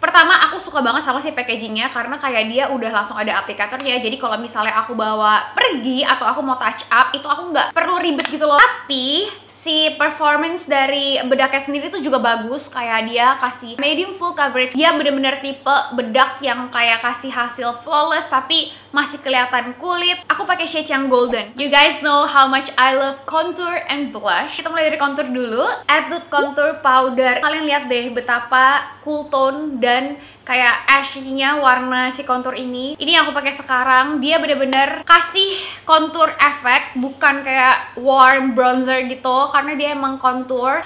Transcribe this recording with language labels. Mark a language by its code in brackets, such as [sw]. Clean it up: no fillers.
[id] Pertama, aku suka banget sama si packagingnya karena kayak dia udah langsung ada aplikatornya, jadi kalau misalnya aku bawa pergi atau aku mau touch up itu aku nggak perlu ribet gitu loh. Tapi si performance dari bedaknya sendiri tuh juga bagus, kayak dia kasih medium full coverage. Dia bener-bener tipe bedak yang kayak kasih hasil flawless tapi masih kelihatan kulit. Aku pakai shade yang golden. [en] You guys know how much I love contour and blush. [id] Kita mulai dari contour dulu. Etude contour powder. Kalian lihat deh betapa cool tone dan kayak ashy-nya warna si contour ini. Ini yang aku pakai sekarang. Dia bener-bener kasih contour effect, bukan kayak warm bronzer gitu, karena dia emang contour.